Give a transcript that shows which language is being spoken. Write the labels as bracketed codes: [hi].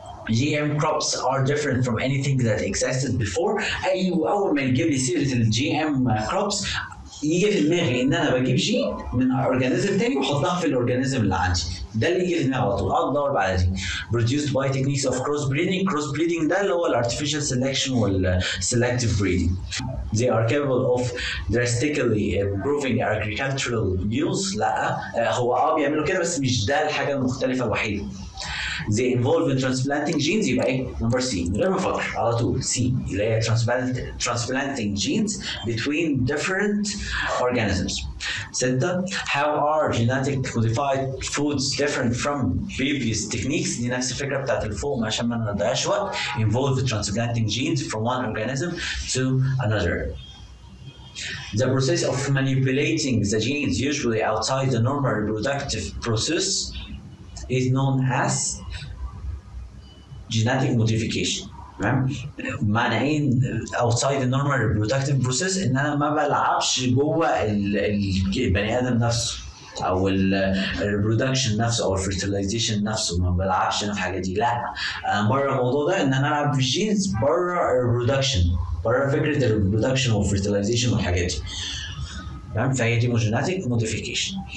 [en] GM crops are different from anything that existed before. [ar] اول ما يجيب لي سيره الجي ام كروبس يجي في دماغي ان انا بجيب جين من اورجانيزم تاني واحطها في الاورجانيزم اللي عندي، ده اللي يجي في دماغي على طول. اقعد ادور بعد دي [en] produced by techniques of crossbreeding. crossbreeding ده اللي هو artificial selection وال selective breeding. they are capable of drastically improving agricultural yields. [ar] لا هو بيعملوا كده بس مش ده الحاجه المختلفه الوحيده. [en] They involve in transplanting genes. [ar] يبقى ايه نمبر C من غير ما افكر على طول C اللي هي [en] transplanting genes between different organisms. ستة how are genetic modified foods different from previous techniques. [ar] دي نفس الفكرة بتاعت الفوم عشان ما نضيعش وقت. [en] Involve in transplanting genes from one organism to another. The process of manipulating the genes usually outside the normal reproductive process is known as genetic modification. [ar] معنى ايه [en] outside the normal reproductive process؟ [ar] ان انا ما بلعبش جوه البني ادم نفسه او الريبرودكشن نفسه او الفيرتلايزيشن نفسه، ما بلعبش انا في حاجه دي، لا بره الموضوع ده، ان انا العب في جينز بره الريبرودكشن، بره فكره الريبرودكشن والفيرتلايزيشن والحاجات دي تمام. فهي دي جينيتيك موديفيكيشن.